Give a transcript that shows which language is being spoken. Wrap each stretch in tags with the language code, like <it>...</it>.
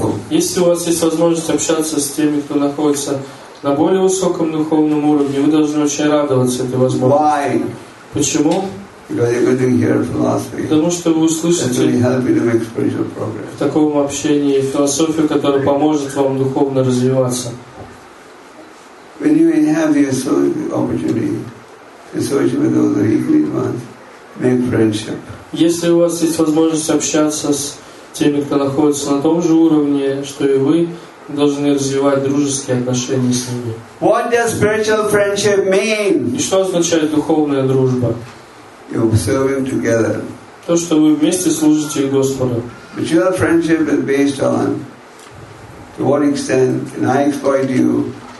<ru>Если у вас есть возможность общаться с теми, кто находится на более высоком духовном уровне, вы должны очень радоваться этой возможности.</ru> <en>Why?</en> <ru>Почему? Потому что вы услышите в таком общении философию, которая поможет вам духовно развиваться.</ru> <en>When you have the opportunity to associate with those weakened ones, make friendship.</en> <ru>Если у вас есть возможность общаться с теми, кто находится на том же уровне, что и вы, должны развивать дружеские отношения с ними.</ru> <en>What does spiritual friendship mean?</en> <ru>И что означает духовная дружба?</ru> <en>You serve Him together.</en> <ru>То, что вы вместе служите Господу.</ru> <en>But your friendship is based on to what extent can I exploit you?</en>